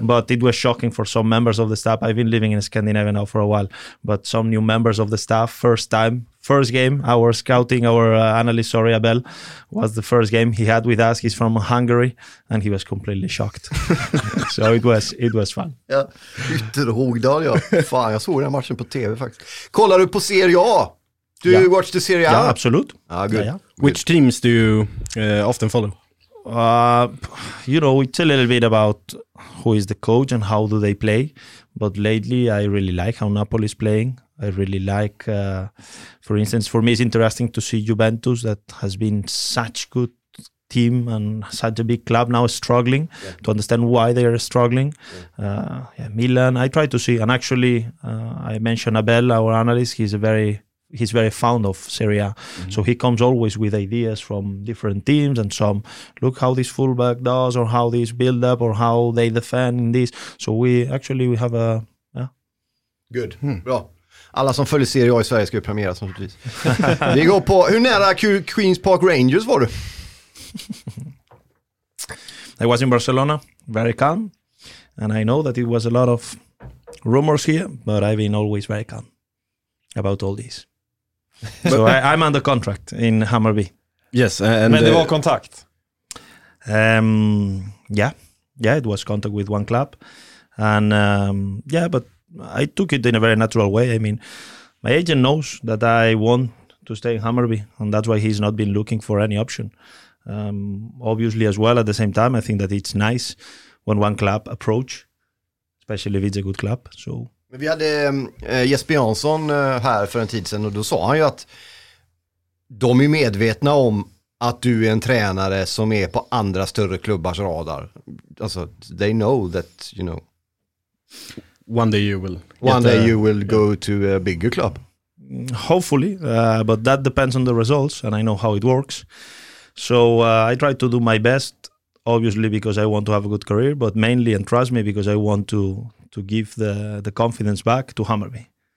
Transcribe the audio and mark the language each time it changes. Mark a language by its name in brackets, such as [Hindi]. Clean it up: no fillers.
[English] But it was shocking for some members of the staff. I've been living in Scandinavia now for a while, but some new members of the staff, first time, first game, our analyst, Abel, was the first game he had with us. He's from Hungary, and he was completely shocked. So it was fun. [Swedish] Ja, Ytterhogdal, ja. Fan, jag såg den matchen på TV faktiskt. Kollar du på Serie A? [English] Do you watch the Serie A? [Swedish] Ja, absolut. [English] Ah, good. [Swedish] Ja, [English] good. Which teams do you often follow? It's a little bit about who is the coach and how do they play. But lately, I really like how Napoli is playing. I really like, for instance, for me, it's interesting to see Juventus, that has been such good team and such a big club now struggling, yeah, to understand why they are struggling. Yeah, Milan, I try to see, and actually I mentioned Abel, our analyst, he's very fond of Serie A. Mm-hmm. So he comes always with ideas from different teams and some, look how this fullback does or how this build up or how they defend in this. So we have a... Yeah. Good. [Swedish] Bra. Alla som följer Serie A i Sverige ska ju premiera som precis. Vi går på, hur nära Queens Park Rangers var du? [English] I was in Barcelona, very calm. And I know that it was a lot of rumors here, but I've been always very calm about all this. So I'm under contract in Hammarby. Yes. [Swedish] Men det var kontakt? [English] Yeah, it was contact with one club. And but I took it in a very natural way. I mean, my agent knows that I want to stay in Hammarby, and that's why he's not been looking for any option. Obviously, as well, at the same time, I think that it's nice when one club approach, especially if it's a good club. So. [Swedish] Men vi hade Jesper Jansson här för en tid sedan, och då sa han ju att de är medvetna om att du är en tränare som är på andra större klubbars radar. Alltså, [English] they know that, you know. One day you will go to a bigger club. Hopefully, but that depends on the results, and I know how it works. So I try to do my best, obviously, because I want to have a good career, but mainly, and trust me, because I want to give the confidence back to Hammarby.